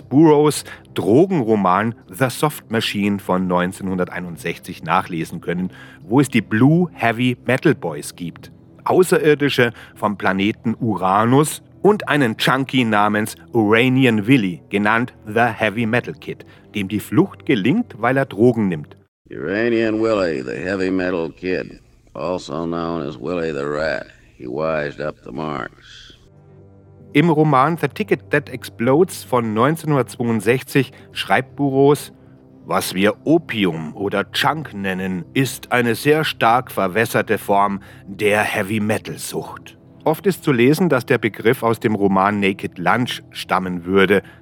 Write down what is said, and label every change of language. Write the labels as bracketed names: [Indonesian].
[German] Burroughs Drogenroman The Soft Machine von 1961 nachlesen können, wo es die Blue Heavy Metal Boys gibt, Außerirdische vom Planeten Uranus und einen Junkie namens Uranian Willy, genannt The Heavy Metal Kid, dem die Flucht gelingt, weil er Drogen nimmt. [English] Uranian Willy, the Heavy Metal Kid, also known as Willy the Rat, he wised up the marks. [German] Im Roman The Ticket That Explodes von 1962 schreibt Burroughs: Was wir Opium oder Junk nennen, ist eine sehr stark verwässerte Form der Heavy-Metal-Sucht. Oft ist zu lesen, dass der Begriff aus dem Roman Naked Lunch stammen würde.